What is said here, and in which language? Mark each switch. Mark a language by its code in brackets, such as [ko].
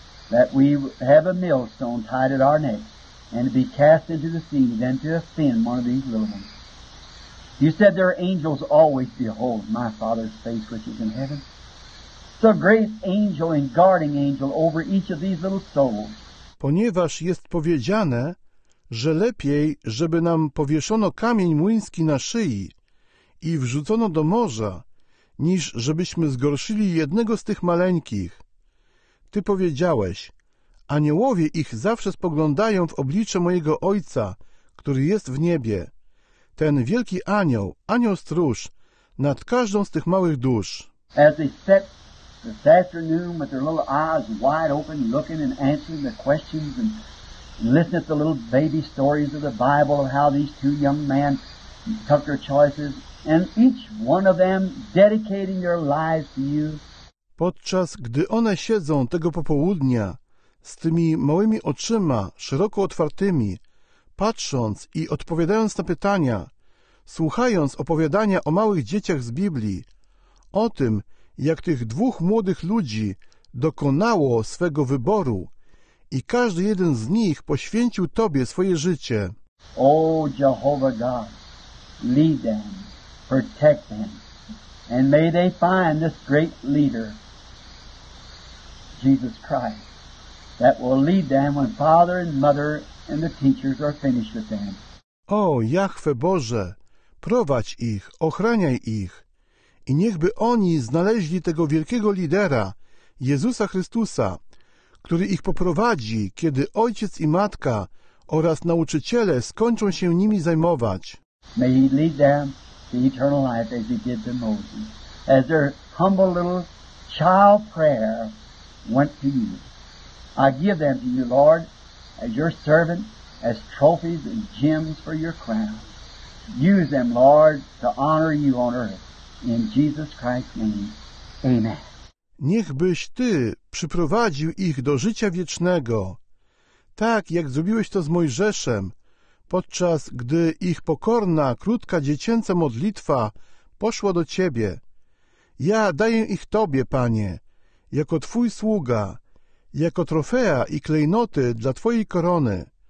[en] That we have a millstone tied at our neck and to be cast into the sea than to offend one of these little ones. You said there are angels always behold my Father's face which is in heaven. So great angel and guarding angel over each of these little souls. [pl] Ponieważ jest powiedziane, że lepiej, żeby nam powieszono kamień młyński na szyi i wrzucono do morza, niż żebyśmy zgorszyli jednego z tych maleńkich. Ty powiedziałeś, aniołowie ich zawsze spoglądają w oblicze mojego Ojca, który jest w niebie. Ten wielki anioł, anioł stróż, nad każdą z tych małych dusz. [en] As they sat this afternoon with their little eyes wide open, looking and answering the questions and listening to the little baby stories of the Bible of how these two young men took their choices, and each one of them dedicating their lives to you. [pl] Podczas gdy one siedzą tego popołudnia z tymi małymi oczyma szeroko otwartymi, patrząc i odpowiadając na pytania, słuchając opowiadania o małych dzieciach z Biblii, o tym, jak tych dwóch młodych ludzi dokonało swego wyboru i każdy jeden z nich poświęcił Tobie swoje życie. [en] O Jehovah God, lead them. Protect them, and may they find this great leader, Jesus Christ, that will lead them when father and mother and the teachers are finished with them. [pl] O Jahwe Boże, prowadź ich, ochraniaj ich, i niechby oni znaleźli tego wielkiego lidera, Jezusa Chrystusa, który ich poprowadzi, kiedy ojciec i matka oraz nauczyciele skończą się nimi zajmować. [en] May he lead them. The eternal life as he did to Moses, as their humble little child prayer went to you. I give them to you, Lord, as your servant, as trophies and gems for your crown. Use them, Lord, to honor you on earth. In Jesus Christ's name, amen. [pl] Niechbyś Ty przyprowadził ich do życia wiecznego, tak jak zrobiłeś to z Mojżeszem, podczas gdy ich pokorna, krótka, dziecięca modlitwa poszła do Ciebie. Ja daję ich Tobie, Panie, jako Twój sługa, jako trofea i klejnoty dla Twojej korony.